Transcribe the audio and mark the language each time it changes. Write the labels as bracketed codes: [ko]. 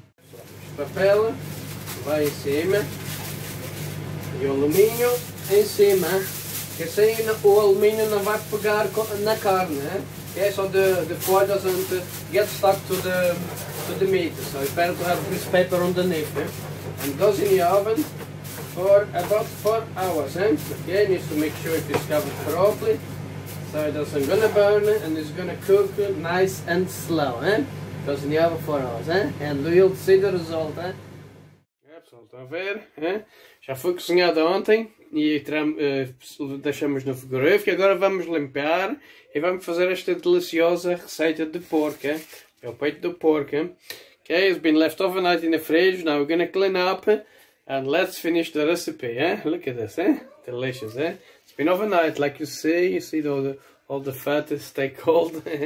[pt] Este papel vai em cima e o alumínio em cima. Porque assim o alumínio não vai pegar na carne, eh? [en] Ok? So the foil doesn't get stuck to the meat. So you better to have this paper underneath, eh? and goes in the oven for about 4 hours, eh? Okay, needs to make sure it is covered properly so it doesn't gonna burn and it's gonna cook nice and slow, eh? Goes in the oven 4 hours, eh? And we'll see the result, eh? [pt] Estão a ver, hein? Já foi cozinhada ontem e deixamos no frigorífico. Agora vamos limpar e vamos fazer esta deliciosa receita de porco, hein? É o peito do porco, hein? [en] Okay, it's been left overnight in the fridge. Now we're gonna clean up and let's finish the recipe, hein? Look at this, hein? Delicious, hein? It's been overnight, like you see all the fat stay cold.